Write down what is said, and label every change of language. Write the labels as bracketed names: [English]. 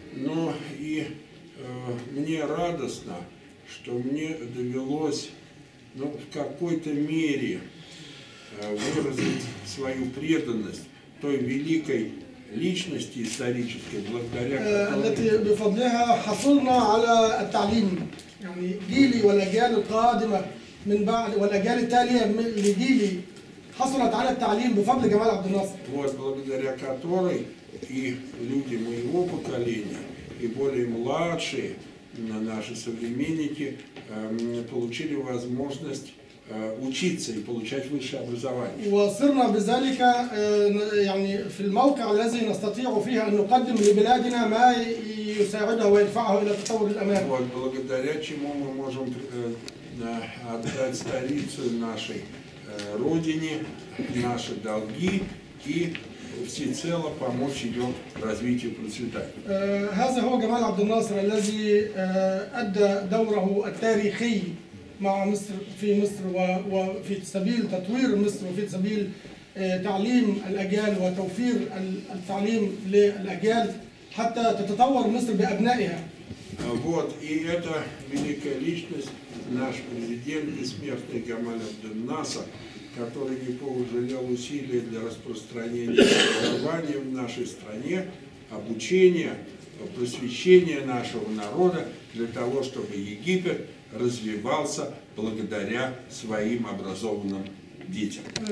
[Russian] Ну и мне радостно, что мне довелось, ну, в какой-то мере выразить свою преданность той великой личности исторической, благодаря [Arabic] التي بفضلها حصلنا على التعليم يعني جيلي والأجيال القادمة من بعد والأجيال التالية لجيلي حصلت على التعليم بفضل جمال عبد الناصر. [Russian] Вот, благодаря которой и люди моего поколения, и более младшие наши современники получили возможность учиться и получать высшее образование. [Arabic] وصرنا بذلك يعني في الموقع الذي نستطيع فيه أن نقدم لبلادنا ما يساعده ويدفعه إلى تطور الأمام. [Russian] Вот, благодаря чему мы можем отдать столицу нашей родине, наши долги и всецело помочь ее развитию и процветанию. [Arabic] هذا هو جمال عبد الناصر الذي أدى دوره التاريخي مع مصر في مصر وفي سبيل تطوير مصر وفي سبيل تعليم الأجيال وتوفير التعليم للأجيال حتى تتطور مصر بأبنائها. [Russian] Вот, и это великая личность, наш президент бессмертный Гамаль Абдельнасер, который не пожалел усилий для распространения образования в нашей стране, обучения, просвещения нашего народа для того, чтобы Египет развивался благодаря своим образованным детям.